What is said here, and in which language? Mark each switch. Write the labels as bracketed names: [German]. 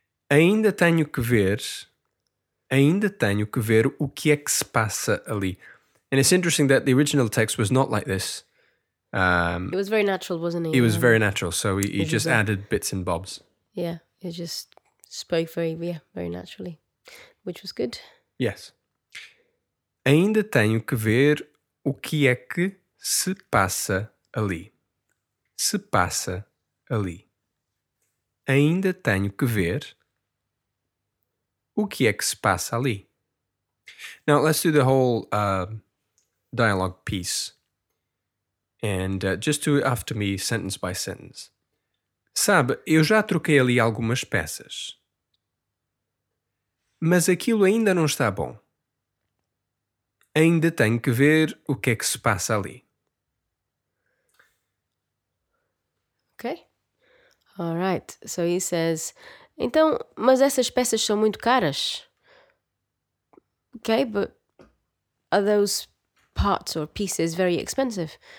[Portuguese] Ainda tenho que ver o que é que se passa ali. [English] And it's interesting that the original text was not like this. It was very natural, wasn't it? It was very natural, so he just added bits and bobs. Yeah, it just spoke very, very naturally, which was good. Yes. [Portuguese] Ainda tenho que ver o que é que se passa ali. Se passa ali. Ainda tenho que ver o que é que se passa ali. [English] Now, let's do the whole dialogue piece. And just do it after me, sentence by sentence. [Portuguese] Sabe, eu já troquei ali algumas peças. Mas aquilo ainda não está bom. Ainda tenho que ver o que é que se passa ali. [English] Ok. All right. So he says, [Portuguese] então, mas essas peças são muito caras. [English] Okay, but are those parts or pieces very expensive?